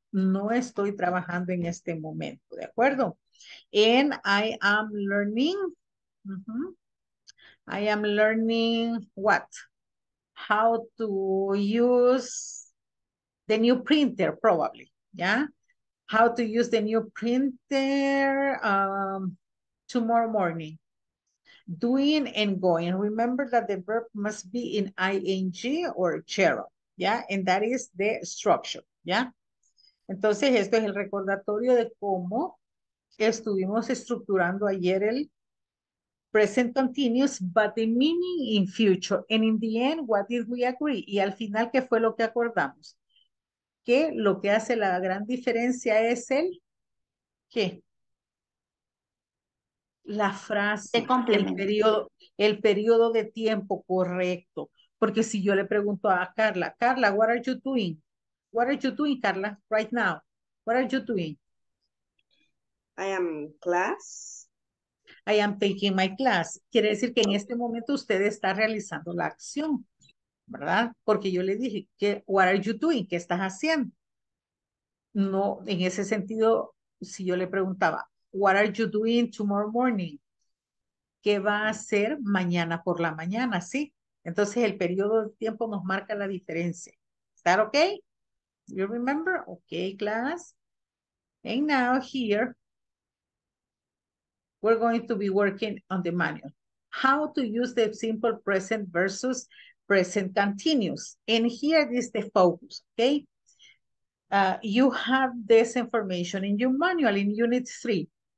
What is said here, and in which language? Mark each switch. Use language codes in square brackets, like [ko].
[es] No estoy trabajando en este momento, ¿de acuerdo? [en] And I am learning, I am learning what? How to use the new printer, probably, ¿ya? How to use the new printer tomorrow morning. Doing and going. Remember that the verb must be in ing or gerund, yeah? And that is the structure, yeah? [es] Entonces, esto es el recordatorio de cómo estuvimos estructurando ayer el present continuous, [en] but the meaning in future. And in the end, what did we agree? [es] Y al final, ¿qué fue lo que acordamos? Que lo que hace la gran diferencia es el ¿qué? La frase, el periodo de tiempo correcto. Porque si yo le pregunto a Carla, Carla, [en] what are you doing? What are you doing, Carla, right now? What are you doing? I am in class. I am taking my class. [es] Quiere decir que en este momento usted está realizando la acción, ¿verdad? Porque yo le dije, ¿qué, [en] what are you doing? [es] ¿Qué estás haciendo? No, en ese sentido, si yo le preguntaba, [en] what are you doing tomorrow morning? [es] ¿Qué va a hacer mañana por la mañana? ¿Sí? Entonces, el periodo de tiempo nos marca la diferencia. [en] ¿Is that okay? You remember? Okay, class. And now here, we're going to be working on the manual. How to use the simple present versus present continuous. And here is the focus, okay? You have this information in your manual in unit 3.